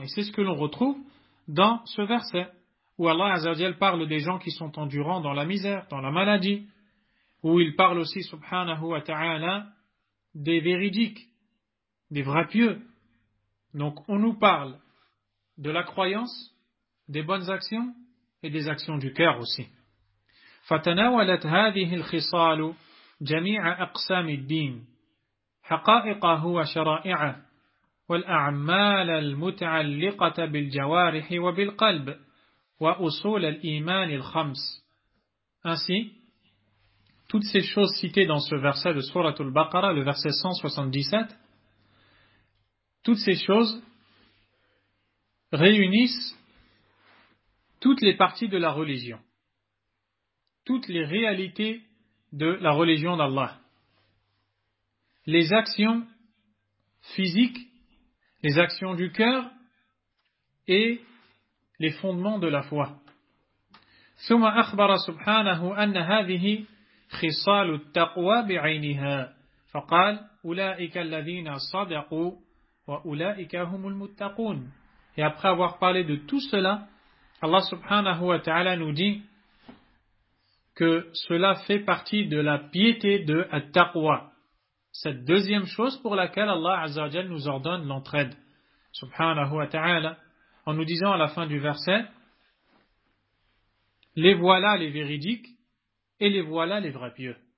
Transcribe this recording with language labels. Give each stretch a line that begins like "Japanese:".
French: Et c'est ce que l'on retrouve dans ce verset, où Allah Azzawajal parle des gens qui sont endurants dans la misère, dans la maladie, où il parle aussi, subhanahu wa ta'ala, des véridiques, des vrais pieux. Donc on nous parle de la croyance, des bonnes actions et des actions du cœur aussi.
Arabic: فتناولت هذه الخصال جميع أقسام الدين، حقائقه وشرائعه، والأعمال المتعلقة بالجوارح وبالقلب، وأصول الإيمان الخمس.
French: Ainsi, toutes ces choses citées dans ce verset de Sourate al-Baqarah, le verset 177, toutes ces choses réunissent toutes les parties de la religion, toutes les réalités de la religion d'Allah. Les actions physiques, les actions du cœur et les fondements de la foi.
Arabic: ثم أخبر سبحانه أن هذه خصال التقوى بعينها فقال أولئك الذين صدقوا وأولئك هم المتقون.
French: Et après avoir parlé de tout cela, Allah subhanahu wa ta'ala nous dit que cela fait partie de la piété de at-taqwa, cette deuxième chose pour laquelle Allah azza wa jalla nous ordonne l'entraide, subhanahu wa ta'ala, en nous disant à la fin du verset: les voilà les véridiques et les voilà les vrais pieux.